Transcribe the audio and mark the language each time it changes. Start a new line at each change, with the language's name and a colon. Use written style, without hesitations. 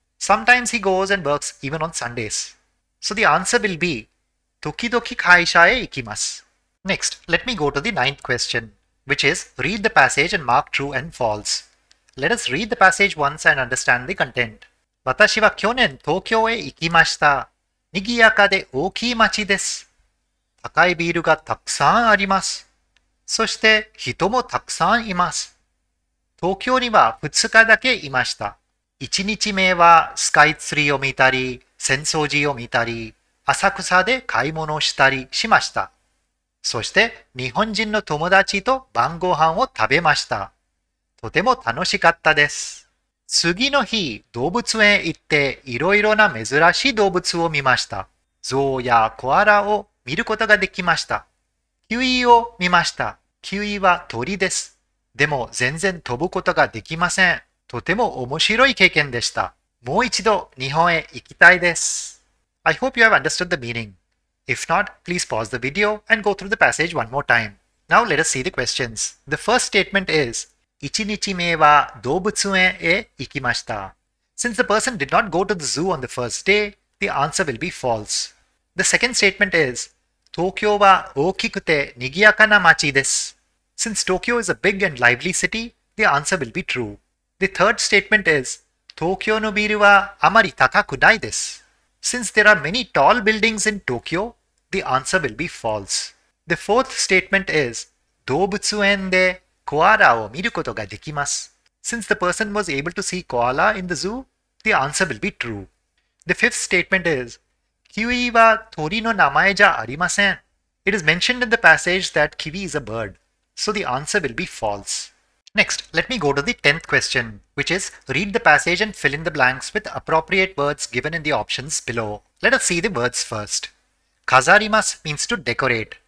English: Sometimes he goes and works even on Sundays. So the answer will be,
Japanese: Tokidoki kaisha e ikimasu.
English: Next, let me go to the 9th question, which is, read the passage and mark true and false. Let us read the passage once and understand the content.
Japanese: Watashi wa kyonen Tokyo e ikimashita. にぎやかで大きい町です。高いビールがたくさんあります。そして人もたくさんいます。東京には2日だけいました。 1日目はスカイツリーを見たり、浅草寺を見たり、浅草で買い物をしたりしました。そして日本人の友達と晩ご飯を食べました。とても楽しかったです。次の日、動物園行って、いろいろな珍しい動物を見ました。ゾウやコアラを見ることができました。キウイを見ました。キウイは鳥です。でも全然飛ぶことができません。とても面白い経験でした。もう一度日本へ行きたいです。
English: I hope you have understood the meaning. If not, please pause the video and go through the passage one more time. Now let us see the questions. The first statement is,
Japanese: 1日目は動物園へ行きました。
English: Since the person did not go to the zoo on the first day, the answer will be false. The second statement is,
Japanese: 東京は大きくて賑やかな街です。
English: Since Tokyo is a big and lively city, the answer will be true. The third statement is,
Japanese: 東京のビルはあまり高くないです。
English: Since there are many tall buildings in Tokyo, the answer will be false. The fourth statement is,
Japanese: 動物園でコアラを見ることができます。
English: Since the person was able to see koala in the zoo, the answer will be true. The fifth statement is,
Japanese: キウイは鳥の名前じゃありません。
English: It is mentioned in the passage that kiwi is a bird. So the answer will be false. Next, let me go to the 10th question, which is read the passage and fill in the blanks with appropriate words given in the options below. Let us see the words first. Kazarimasu means to decorate.